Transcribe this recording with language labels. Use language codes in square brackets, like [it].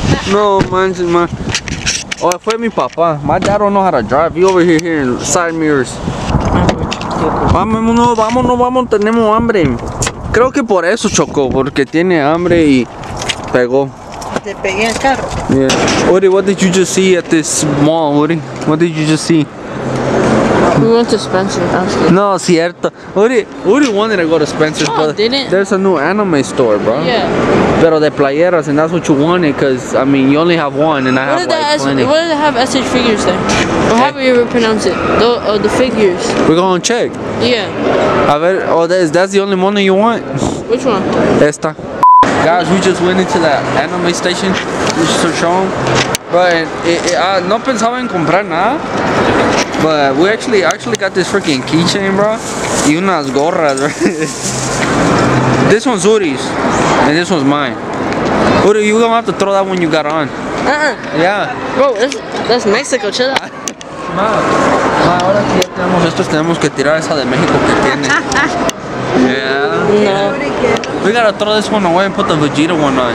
[es] No, manches, ma. Oh, fue mi papá. [en] My dad don't know how to drive. You over here in side mirrors. [es] Vámonos, tenemos hambre. Creo que por eso chocó, porque tiene hambre y pegó. Te pegué el carro. [en] Yeah. Woody, what did you just see at this mall, Woody? What did you just see? We went to Spencer's. [es] No, cierto. [en] Woody wanted to go to Spencer's, no, but didn't. There's a new anime store, bro. Yeah. [es] Pero de playeras, [en] and that's what you wanted, because, I mean, you only have one, and I what have, like, plenty. What do they have SH figures there? Or how do you ever pronounce it? The figures. We're going to check. Yeah. [es] A ver, [en] oh, that's the only one you want? Which one? [es] Esta. [en] Guys, we just went into that anime station, which is shown. But [es] no pensaba en comprar nada. [en] But we actually got this freaking keychain, bro. [es] Y unas gorras, [en] right? This one's Uri's. And this one's mine. Uri, you're gonna have to throw that one you got on. Yeah. Bro, that's Mexico, chill out. [es] Ma, ahora que ya tenemos estos, tenemos que tirar esa de México que tiene. [en] Yeah. No. We gotta throw this one away and put the Vegeta one on.